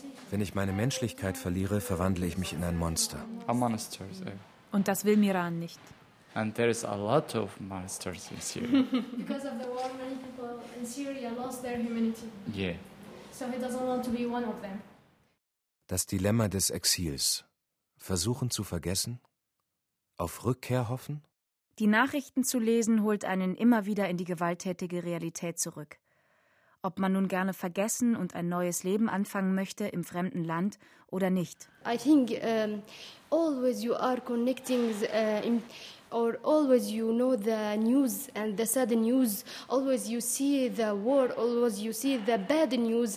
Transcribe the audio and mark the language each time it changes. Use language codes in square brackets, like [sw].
[de] Wenn ich meine Menschlichkeit verliere, verwandle ich mich in ein Monster. [en] A monster, so. [de] Und das will Miran nicht. [en] And there is a lot of monsters in Syria. Because of the war, many people in Syria lost their humanity. Yeah. So he doesn't want to be one of them. [de] Das Dilemma des Exils. Versuchen zu vergessen? Auf Rückkehr hoffen? Die Nachrichten zu lesen holt einen immer wieder in die gewalttätige Realität zurück. Ob man nun gerne vergessen und ein neues Leben anfangen möchte im fremden Land oder nicht. [en] I think always you are connecting or always you know the news and the sad news. Always you see the war, always you see the bad news.